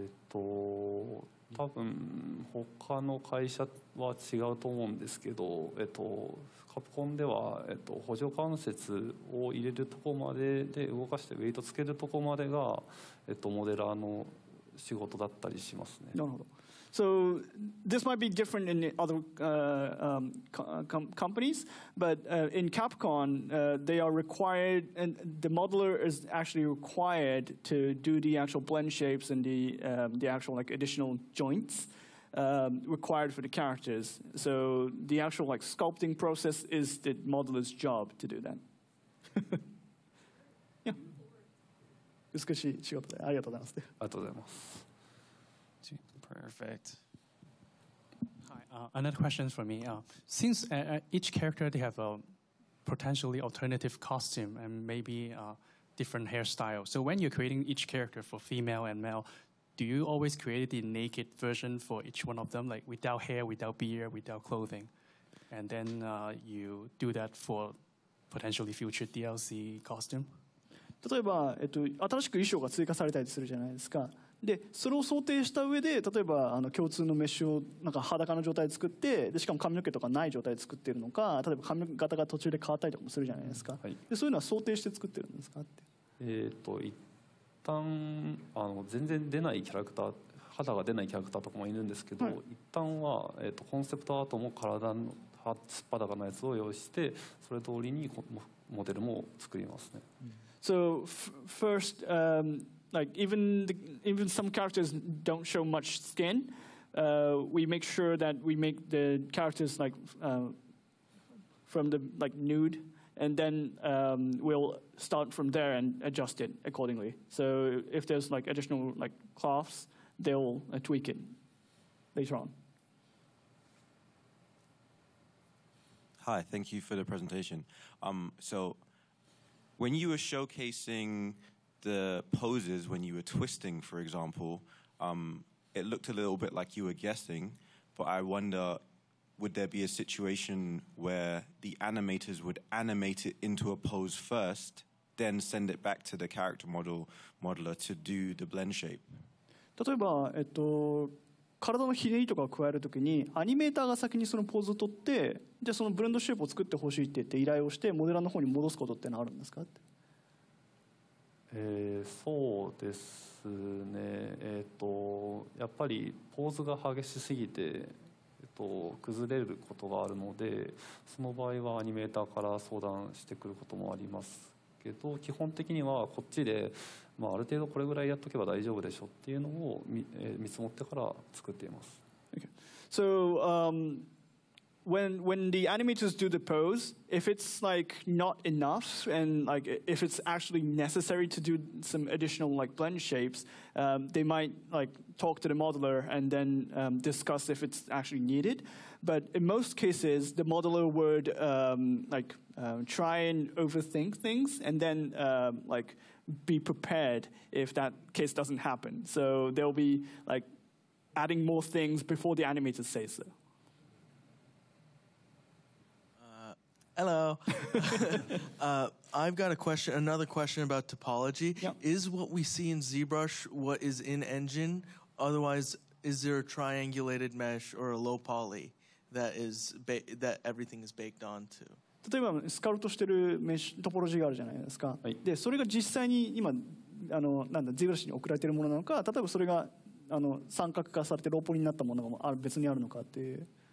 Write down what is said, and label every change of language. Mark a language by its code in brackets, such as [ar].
[ja] 多分他の会社は違うと思うんですけど、カプコンでは、補助関節を入れるとこまでで動かしてウェイトつけるとこまでが、モデラーの仕事だったりしますね。なるほど。 [en] So this might be different in other companies, but in Capcom, they are required, and the modeler is actually required to do the actual blend shapes and the actual like additional joints required for the characters. So the actual like sculpting process is the modeler's job to do that. Yeah. [ja] 美しい仕事で、ありがとうございます。ありがとうございます。 [en] Perfect. Hi. Another question for me. Since each character they have a potentially alternative costume and maybe different hairstyle, so when you're creating each character for female and male, do you always create the naked version for each one of them, like without hair, without beard, without clothing, and then you do that for potentially future DLC costume? [ja] 例えば、新しく衣装が追加されたりするじゃないですか。でそれを想定した上で例えば共通のメッシュをなんか裸の状態で作ってでしかも髪の毛とかない状態で作っているのか例えば髪型が途中で変わったりとかもするじゃないですか、はい、でそういうのは想定して作ってるんですかって一旦全然出ないキャラクター肌が出ないキャラクターとかもいるんですけど、はい、一旦は、コンセプトアートも体の素っ裸のやつを用意してそれ通りにモデルも作りますね、 [en] うん、So first like even some characters don't show much skin, we make sure that we make the characters like from the like nude, and then we'll start from there and adjust it accordingly. So if there's like additional like cloths, they'll tweak it later on. Hi, thank you for the presentation. So when you were showcasing the poses when you were twisting, for example, it looked a little bit like you were guessing, but I wonder, would there be a situation where the animators would animate it into a pose first, then send it back to the character modeler to do the blend shape? [ja] 例えば、体のひねりとかを加えるときに、アニメーターが先にそのポーズを取って、じゃあそのブレンドシェイプを作ってほしいって言って依頼をして、モデラーの方に戻すことってのあるんですかって。そうですね、やっぱりポーズが激しすぎて、崩れることがあるのでその場合はアニメーターから相談してくることもありますけど基本的にはこっちで、まあ、ある程度これぐらいやっとけば大丈夫でしょっていうのを 見積もってから作っています。 [en] Okay. So, When the animators do the pose, if it's like not enough and like if it's actually necessary to do some additional like blend shapes, they might like talk to the modeler and then discuss if it's actually needed. But in most cases, the modeler would like try and overthink things, and then like be prepared if that case doesn't happen. So they'll be like adding more things before the animator says so. Hello. I've got a question. Another question about topology. Yep. Is what we see in ZBrush what is in engine? Otherwise, is there a triangulated mesh or a low poly that is that everything is baked onto? [ja] 例えばスカルトしてるメッシュトポロジーがあるじゃないですか。はい、で、それが実際に今あのなんだ ZBrush に送られているものなのか、例えばそれがあの三角化されてローポリになったものがある別にあるのかっていう。